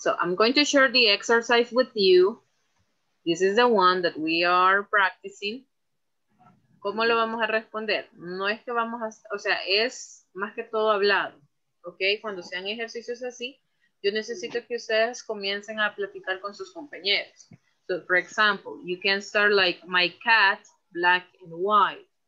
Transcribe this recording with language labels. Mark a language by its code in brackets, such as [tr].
[en] So I'm going to share the exercise with you. This is the one that we are practicing. [es] ¿Cómo lo vamos a responder? No es que vamos a, o sea, es más que todo hablado. Okay, cuando sean ejercicios así, yo necesito que ustedes comiencen a platicar con sus compañeros. [en] So for example, you can start like my cat, black and white.